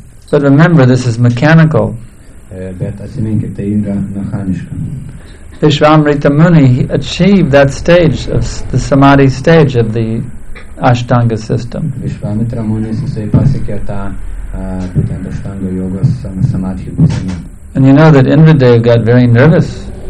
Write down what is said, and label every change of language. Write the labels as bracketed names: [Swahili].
[English] But remember, this is mechanical. Vishvamrita Muni achieved that stage of the samadhi stage of the Ashtanga system. [Lithuanian] Vishvamrita Muni pasiekė tą būtent Ashtanga yogos samadhi būseną. [English] And you know that Indradeva got very nervous.